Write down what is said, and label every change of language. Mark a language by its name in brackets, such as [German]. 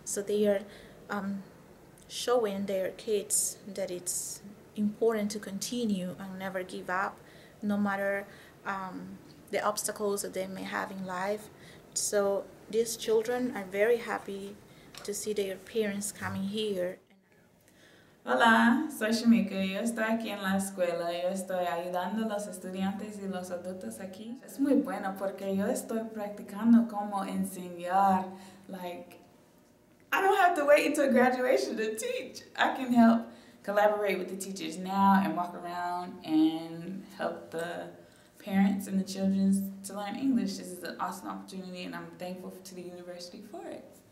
[English] So they are showing their kids that it's important to continue and never give up, no matter the obstacles that they may have in life. So these children are very happy to see their parents coming here. [Spanish] Hola, soy Shamika. Yo estoy aquí en la escuela. Yo estoy ayudando a los estudiantes y los adultos aquí. Es muy bueno porque yo estoy practicando cómo enseñar. [English] Like, I don't have to wait until graduation to teach. I can help collaborate with the teachers now and walk around and help the parents and the children to learn English. This is an awesome opportunity, and I'm thankful to the university for it.